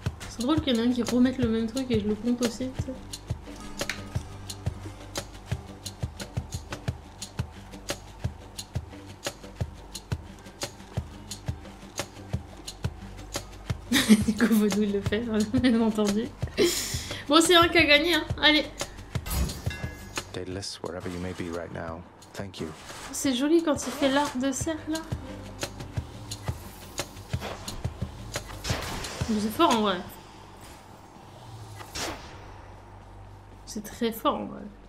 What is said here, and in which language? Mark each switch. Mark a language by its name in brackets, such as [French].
[French] C'est drôle qu'il y en ait un qui remette le même truc et je le compte aussi, tu sais. Du coup, Vodou, il le fait, bien entendu. Bon, c'est un qui a gagné, hein. Allez. [English] Daedalus, wherever you may be right now, thank you. [French] C'est joli quand il fait l'arc de cercle, là. C'est fort en vrai. C'est très fort en vrai.